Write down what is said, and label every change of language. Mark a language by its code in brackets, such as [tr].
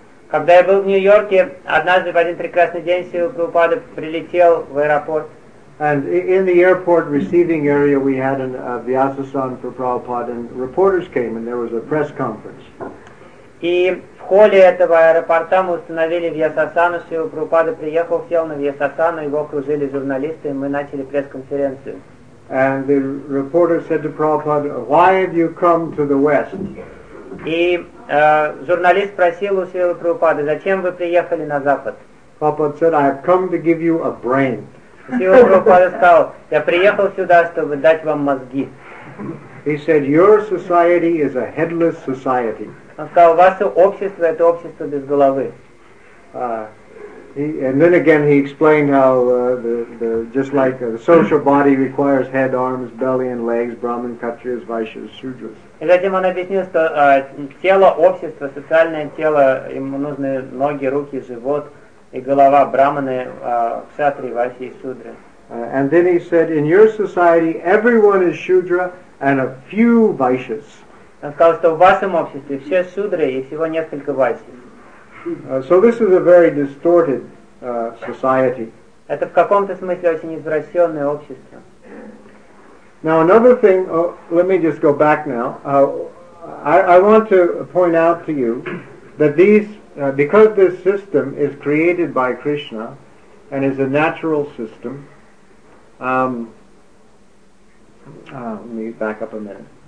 [ru] Когда я был в Нью-Йорке, однажды в один прекрасный день Сила Прабхупада прилетел в аэропорт. [en] And in the airport receiving area we had an Vyasasan for Prabhupada, and reporters came and there was a press conference. [ru] И в холле этого аэропорта мы установили Вьясасану, Шрила Прабхупада приехал, сел на Вьясасану, его окружили журналисты, и мы начали пресс-конференцию. [en] And the reporter said to Prabhupada, why have you come to the West? [ru] И журналист спросил у Шрила Прабхупада, зачем вы приехали на Запад? [en] Prabhupada said, I have come to give you a brain. [ru] Шрила Прабхупада сказал, я приехал сюда, чтобы дать вам мозги. [en] He said, your society is a headless society. [ru] Он сказал, ваше общество — это общество без головы. [en] And then again he explained how the just like the social body requires head, arms, belly and legs, Brahman, Kshatriyas, Vaishyas, Shudras. [ru] И затем он объяснил, что тело общества, социальное тело, ему нужны ноги, руки, живот и голова, Брахманы, Кшатри, Вайши и Шудры. [en] And then he said, in your society everyone is Shudra and a few Vaishyas. [ru] Он сказал, что в вашем обществе все судры и всего несколько вайши. [en] So this is a very distorted society. [ru] Это в каком-то смысле очень извращенное общество. [en] Now another thing, let me just go back now. I want to point out to you that these, because this system is created by Krishna and is a natural system, let me back up a minute.